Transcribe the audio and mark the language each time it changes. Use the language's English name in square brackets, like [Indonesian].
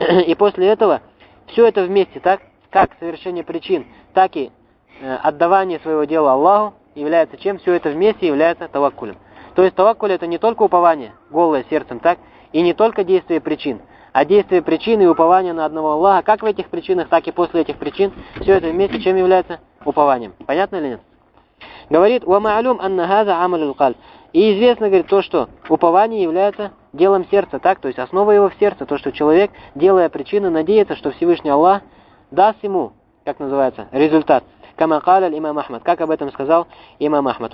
[Russian] И после этого все это вместе, так как совершение причин, так и отдавание своего дела Аллаху является чем? Все это вместе является таваккулем. То есть таваккуль — это не только упование голое сердцем, так, и не только действие причин, а действие причин и упование на одного Аллаха, как в этих причинах, так и после этих причин, все это вместе чем является? Упованием. Понятно или нет? Говорит, [Arabic] وَمَعْلُمْ أَنَّ هَذَا عَمَلُ الْقَلْبِ. [Russian] И известно, говорит, то, что упование является делом сердца, так? То есть основа его в сердце, то, что человек, делая причины, надеется, что Всевышний Аллах даст ему, как называется, результат. [Arabic] كَمَا قَالَ الْإِمَامُ أَحْمَدُ. [Russian] Как об этом сказал имам Ахмад.